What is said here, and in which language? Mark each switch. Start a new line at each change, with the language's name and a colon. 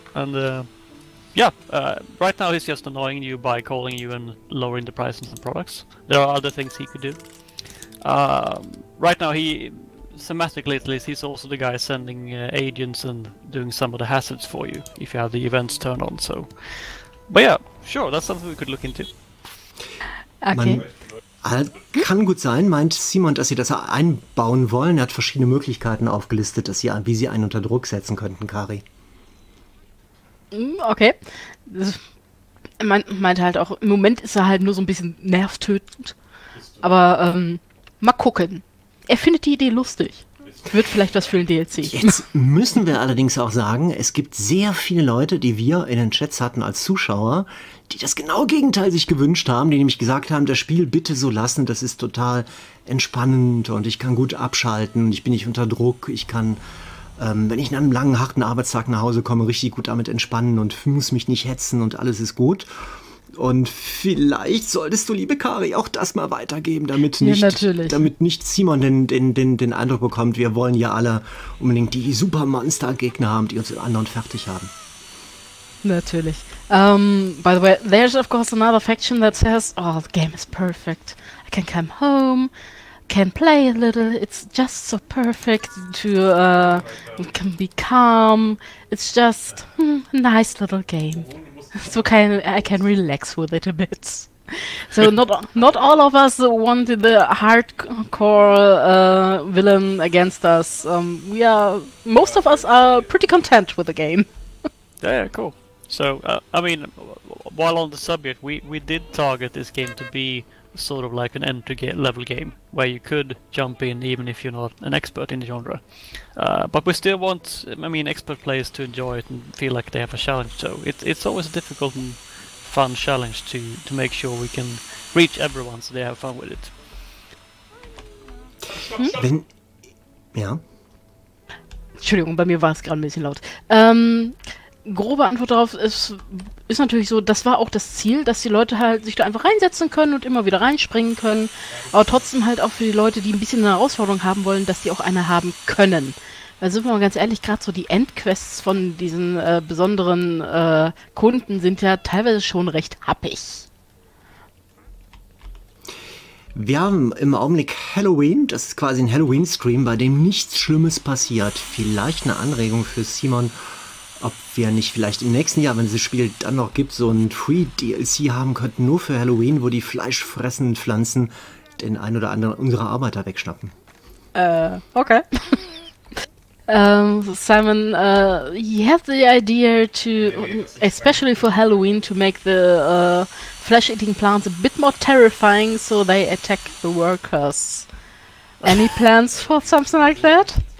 English: And, right now he's just annoying you by calling you and lowering the prices of products. There are other things he could do. Right now he... Thematically, at least, he's also the guy sending agents and doing some of the hazards for you if you have the events turned on. So, but yeah, sure, that's something we could look into. Okay.
German: Kann gut sein, meint Simon, dass sie das einbauen wollen. Er hat verschiedene Möglichkeiten aufgelistet, dass sie, wie sie einen unter Druck setzen könnten, Kari. Okay. Meint halt auch, im Moment ist er halt nur so ein bisschen nervtötend. Aber mal gucken. Er findet die Idee lustig. Wird vielleicht was für den DLC. Jetzt müssen wir allerdings auch sagen, es gibt sehr viele Leute, die wir in den Chats hatten als Zuschauer, die das genaue Gegenteil sich gewünscht haben, die nämlich gesagt haben, das Spiel bitte so lassen, das ist total entspannend und ich kann gut abschalten, ich bin nicht unter Druck, ich kann, wenn ich nach einem langen, harten Arbeitstag nach Hause komme, richtig gut damit entspannen und muss mich nicht hetzen und alles ist gut. Und vielleicht solltest du, liebe Kari, auch das mal weitergeben, damit nicht Simon den Eindruck bekommt, wir wollen ja alle unbedingt die Supermonster-Gegner haben, die uns im anderen fertig haben. Natürlich.
English: By the way, there's of course another faction that says, oh, the game is perfect. I can come home, can play a little, it's just so perfect to can be calm. It's just a nice little game. So I can relax with it a bit. So not all of us want the hardcore villain against us. Most of us are pretty content with the game. Yeah, cool. So while on the subject, we did target this game to be sort of like an entry level game where you could jump in even if you're not an expert in the genre. But we still want, expert players to enjoy it and feel like they have a challenge. So it's always a difficult and fun challenge to make sure we can reach everyone so they have fun with it.
German: Entschuldigung, bei mir war es gerade ein bisschen laut. Grobe Antwort darauf ist natürlich so, das war auch das Ziel, dass die Leute halt sich da einfach reinsetzen können und immer wieder reinspringen können, aber trotzdem halt auch für die Leute, die ein bisschen eine Herausforderung haben wollen, dass die auch eine haben können. Weil sind wir mal ganz ehrlich, gerade so die Endquests von diesen besonderen Kunden sind ja teilweise schon recht happig. Wir haben im Augenblick Halloween, das ist quasi ein Halloween-Stream, bei dem nichts Schlimmes passiert. Vielleicht eine Anregung für Simon, ob wir nicht vielleicht im nächsten Jahr, wenn es das Spiel dann noch gibt, so ein Free-DLC haben könnten, nur für Halloween, wo die fleischfressenden Pflanzen den ein oder anderen unserer Arbeiter wegschnappen. Okay.
English: Simon, you have the idea to, especially for Halloween, to make the flesh-eating plants a bit more terrifying, so they attack the workers. Any plans for something like that?